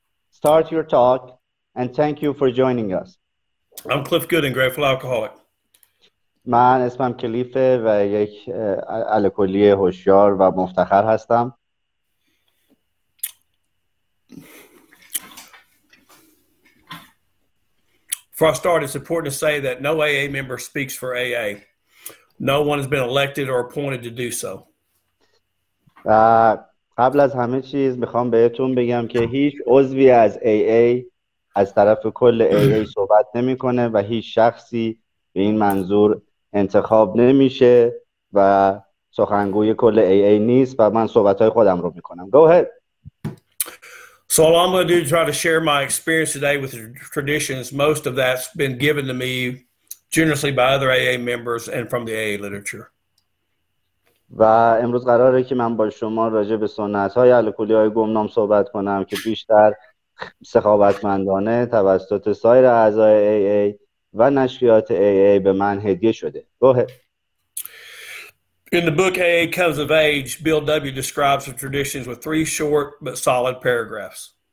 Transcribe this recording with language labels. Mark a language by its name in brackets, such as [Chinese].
[English] Start your talk, and thank you for joining us. I'm Cliff Gooden, Grateful Alcoholic. [Persian] من اسمم کلیفه و یک الکلی هوشیار و مفتخر هستم. [English] For a start, it's important to say that no AA member speaks for AA. No one has been elected or appointed to do so. [Persian] قبل از همه چیز میخوام بهتون بگم که هیچ عضوی از AA از طرف کل AA صحبت نمیکنه و هیچ شخصی به این منظور انتخاب نمیشه و سخنگوی کل AA نیست و من صحبت های خودم رو میکنم. [English] Go ahead. So all I'm going to do is try to share my experience today with the traditions. Most of that's been given to me generously by other AA members and from the AA literature. [Persian] و امروز قراره که من با شما راجع به سنت های الکلی های گمنام صحبت کنم که بیشتر سخاوتمندانه توسط سایر اعضای AA و نشریات AA به من هدیه شده. [English] Go ahead. In the book AA Comes of Age, Bill W. describes the traditions with three short but solid paragraphs.